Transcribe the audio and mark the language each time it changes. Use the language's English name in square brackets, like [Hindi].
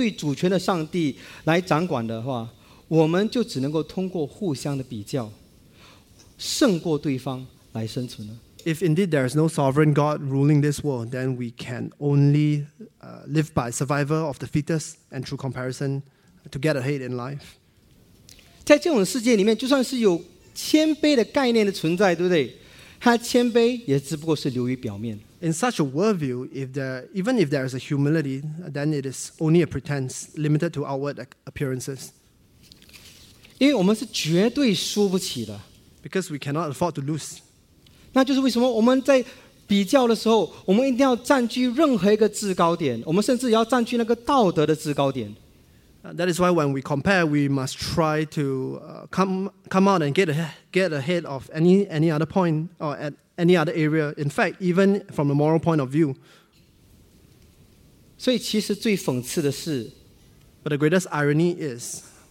[Chinese] 若是我们处的世界并不是由一位有一个绝对主权的上帝来掌管的话, 我们就只能够通过互相的比较,胜过对方来生存了。 [English] If indeed there is no sovereign God ruling this world, then we can only live by survival of the fittest and through comparison to get ahead in life. [Chinese] 在这种世界里面, 就算是有谦卑的概念的存在, 对不对? 他谦卑也只不过是流于表面。 [English] In such a worldview, even if there is a humility, then it is only a pretense limited to outward appearances. [Chinese] 因为我们是绝对输不起的。 [English] Because we cannot afford to lose. [Chinese] 那就是为什么我们在比较的时候, 我们一定要占据任何一个制高点, 我们甚至要占据那个道德的制高点。 [English] That is why when we compare, we must try to come out and get ahead of any other point or at any other area. In fact, even from a moral point of view. [Chinese] 所以其实最讽刺的是, [English] but the greatest irony is,